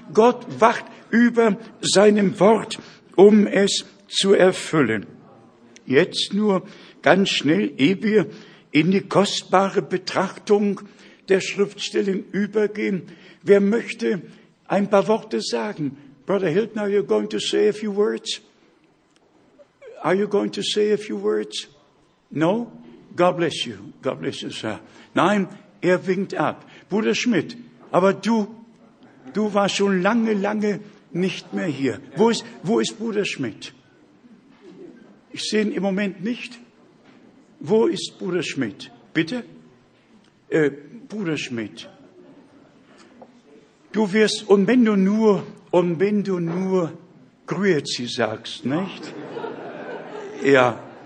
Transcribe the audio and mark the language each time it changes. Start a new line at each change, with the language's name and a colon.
German: Gott wacht über seinem Wort, um es zu erfüllen. Jetzt nur ganz schnell, ehe wir in die kostbare Betrachtung der Schriftstellen übergehen. Wer möchte ein paar Worte sagen?
English: Brother Hilton, are you going to say a few words? Are you going to say a few words? No? God bless you. God bless you, sir.
German: Nein, er winkt ab. Bruder Schmidt, aber du warst schon lange, lange nicht mehr hier. Wo ist Bruder Schmidt? Ich sehe ihn im Moment nicht. Wo ist Bruder Schmidt? Bitte? Bruder Schmidt, du wirst, und wenn du nur Grüezi sagst, nicht? Ja.